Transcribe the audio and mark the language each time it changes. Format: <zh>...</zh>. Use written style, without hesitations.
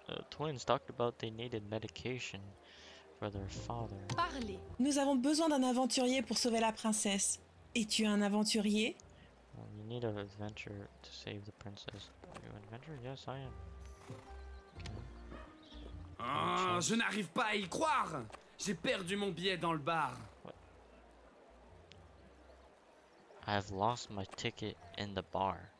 <en>Twins talked about they needed medication for their father.</en> <fr>Parlez. Nous avons besoin d'un aventurier pour sauver la princesse. Es-tu un aventurier?</fr> <en>You need an adventure to save the princess. Are you an adventurer? Yes, I am. Okay.</en> <fr>je n'arrive pas à y croire. J'ai perdu mon billet dans le bar.</fr> <en>I have lost my ticket in the bar.</en>